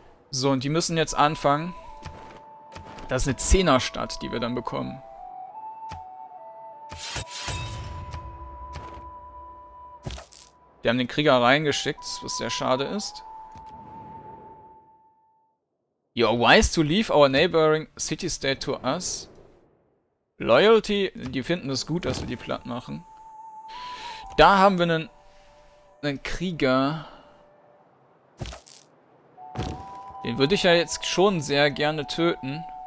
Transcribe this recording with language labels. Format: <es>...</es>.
<de>So, und die müssen jetzt anfangen. Das ist eine 10er-Stadt, die wir dann bekommen. Die haben den Krieger reingeschickt, was sehr schade ist.</de> <en>You are wise to leave our neighboring city-state to us. Loyalty.</en> <de>Die finden es gut, dass wir die platt machen. Da haben wir einen Krieger. Den würde ich ja jetzt schon sehr gerne töten.</de>